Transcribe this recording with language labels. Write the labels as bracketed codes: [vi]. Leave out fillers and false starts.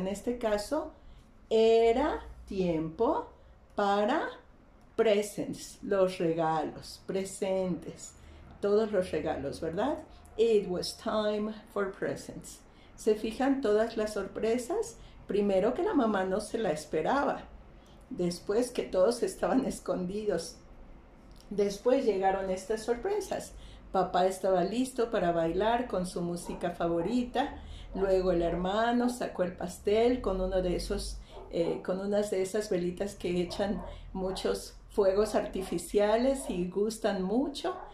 [es] En este caso, era tiempo para presents, los regalos, presentes, todos los regalos, ¿verdad? [en] It was time for presents. [es] ¿Se fijan todas las sorpresas? Primero que la mamá no se la esperaba. Después que todos estaban escondidos. Después llegaron estas sorpresas. Papá estaba listo para bailar con su música favorita. Luego el hermano sacó el pastel con uno de esos, con unas de esas velitas que echan muchos fuegos artificiales y gustan mucho.